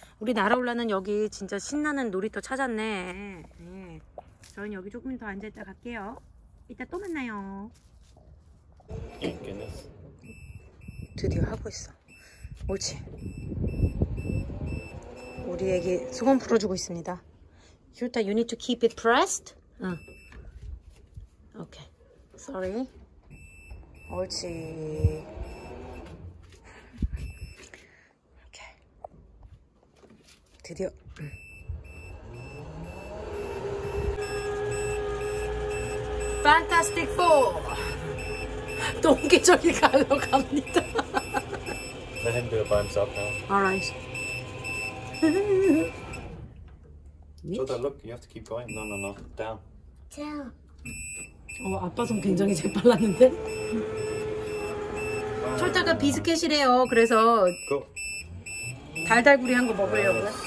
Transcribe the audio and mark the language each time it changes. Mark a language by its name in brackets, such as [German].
[Korean] 우리 나라올라는 여기 진짜 신나는 놀이터 찾았네. 에. 저는 여기 조금 더 앉아있다 갈게요. 이따 또 만나요. 드디어 하고 있어. 옳지. 우리 애기 수건 풀어주고 있습니다. [English] Yuta, you need to keep it pressed? [Korean] 응. [English] Okay. Sorry. [Korean] 옳지. 오케이. 드디어. 판타스틱 4. 동계절이 가러 갑니다. [English] Let him do it by himself now. Alright. Jota, look, you have to keep going. No, no, no. Down. Down. [Korean] 아빠 손 굉장히 재빨랐는데? 철자가 비스켓이래요. 그래서 [English] go. [Korean] 달달구리 한 거 먹으려고.